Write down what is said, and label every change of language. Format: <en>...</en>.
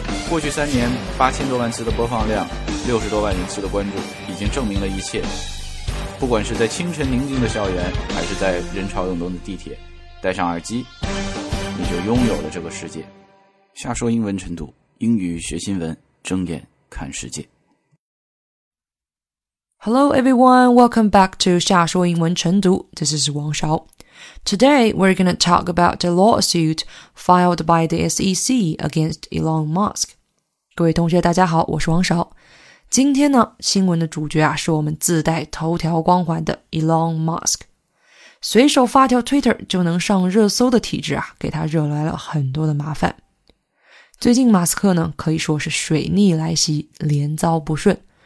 <zh>过去三年，8000多万次的播放量，60多万人次的关注，已经证明了一切。不管是在清晨宁静的校园，还是在人潮涌动的地铁，戴上耳机，你就拥有了这个世界。瞎说英文晨读，英语学新闻，睁眼看世界。</zh> <en>Hello everyone, welcome back to 瞎说英文晨读, this is Wang Shao. Today, we're going to talk about the lawsuit filed by the SEC against Elon Musk.</en> <zh>各位同学大家好,我是王少。今天呢,新闻的主角啊,是我们自带头条光环的 Elon Musk。随手发条 Twitter 就能上热搜的体制啊,给他惹来了很多的麻烦。最近马斯克呢,可以说是水逆来袭,连遭不顺。</zh>